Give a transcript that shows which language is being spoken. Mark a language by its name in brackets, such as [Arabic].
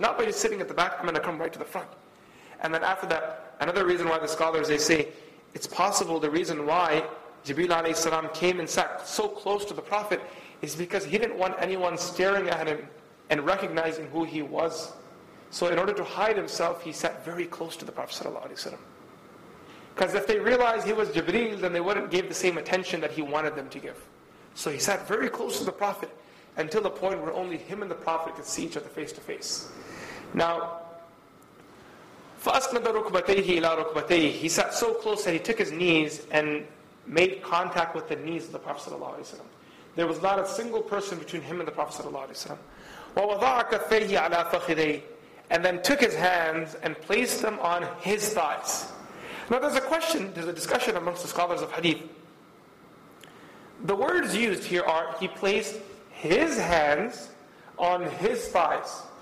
[English] Not by just sitting at the back, I'm going to come right to the front. And then after that, another reason why the scholars, they say, it's possible the reason why Jibreel alayhi salam came and sat so close to the Prophet is because he didn't want anyone staring at him and recognizing who he was. So in order to hide himself, he sat very close to the Prophet sallallahu alaihi wasallam. Because if they realized he was Jibreel, then they wouldn't give the same attention that he wanted them to give. So he sat very close to the Prophet until the point where only him and the Prophet could see each other face to face. Now, [Arabic] فَأَسْنَدَ رُكْبَتَيْهِ إِلَىٰ رُكْبَتَيْهِ. [English] He sat so close that he took his knees and made contact with the knees of the Prophet sallallahu alaihi wasallam. There was not a single person between him and the Prophet sallallahu alaihi wasallam. [Arabic] وَوَضَعَ كَفَّيْهِ عَلَىٰ فَخِذَيْهِ. [English] And then took his hands and placed them on his thighs. Now there's a question, there's a discussion amongst the scholars of hadith. The words used here are, he placed his hands on his thighs.